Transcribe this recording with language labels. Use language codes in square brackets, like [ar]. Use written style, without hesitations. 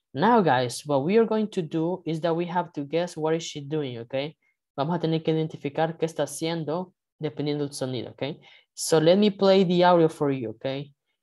[en] Now, guys, what we are going to do is that we have to guess what is she doing, okay? [es] Vamos a tener que identificar qué está haciendo dependiendo del sonido, okay? [en] So let me play the audio for you, okay?